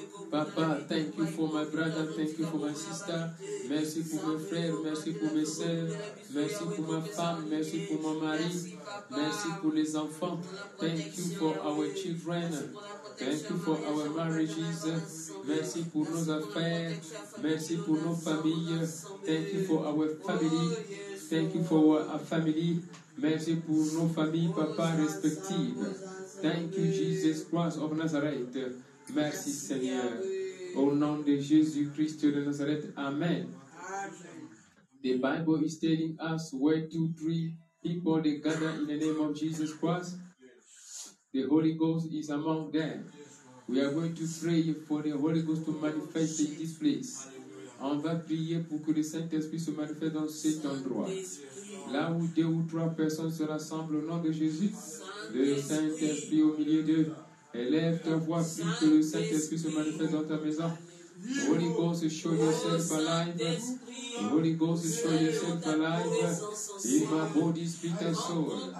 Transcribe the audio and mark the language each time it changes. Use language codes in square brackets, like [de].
[en] Papa, thank you for my brother, thank you for my sister. [fr] Merci pour mes frères, merci pour mes sœurs, merci pour ma femme, merci pour mon mari, merci pour les enfants. [en] Thank you for our children. Thank you for our marriages. [fr] Merci pour nos affaires. Merci pour nos familles. [en] Thank you for our family. Thank you for our family. [fr] Merci pour nos familles, papa, respectives. [en] Thank you, Jesus Christ of Nazareth. [fr] Merci, Seigneur. Au nom de Jésus Christ de Nazareth. Amen. [en] The Bible is telling us where 2-3 people they gather in the name of Jesus Christ. The Holy Ghost is among them. We are going to pray for the Holy Ghost to manifest in this place. [fr] On va prier pour que le Saint-Esprit se manifeste dans cet endroit. Là où deux ou trois personnes se rassemblent au nom de Jésus, le Saint-Esprit au milieu d'eux. Élève ta voix pour que le Saint-Esprit se manifeste dans ta maison. [en] Holy Ghost, show yourself alive. Holy Ghost, show yourself alive in my body, spirit, and soul.